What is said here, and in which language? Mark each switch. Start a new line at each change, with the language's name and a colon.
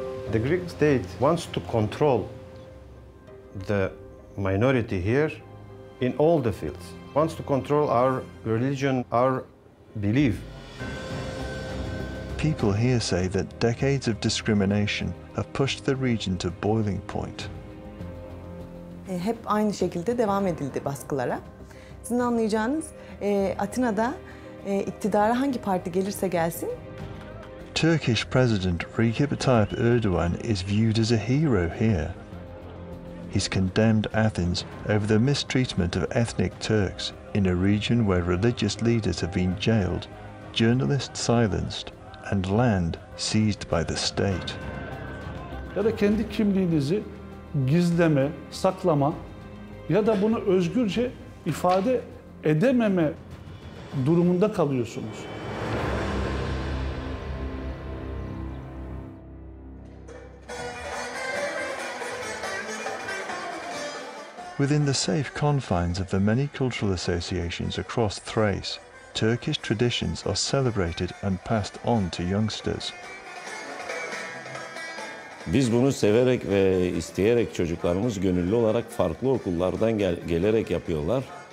English: The Greek state wants to control the minority here in all the fields. Wants to control our religion, our belief. People here say that decades of discrimination have pushed the region to boiling point.
Turkish: Hep aynı şekilde devam edildi baskılara. Sizin anlayacağınız Atina'da iktidara hangi parti gelirse gelsin.
English: Turkish President Recep Tayyip Erdogan is viewed as a hero here. He's condemned Athens over the mistreatment of ethnic Turks in a region where religious leaders have been jailed, journalists silenced, and land seized by the state.
Turkish: Ya da kendi kimliğinizi gizleme, saklama ya da bunu özgürce ifade edememe durumunda kalıyorsunuz.
English: Within the safe confines of the many cultural associations across Thrace, Turkish traditions are celebrated and passed on to youngsters.
Turkish: Biz bunu severek ve isteyerek çocuklarımız gönüllü olarak farklı okullardan gelerek yapıyorlar.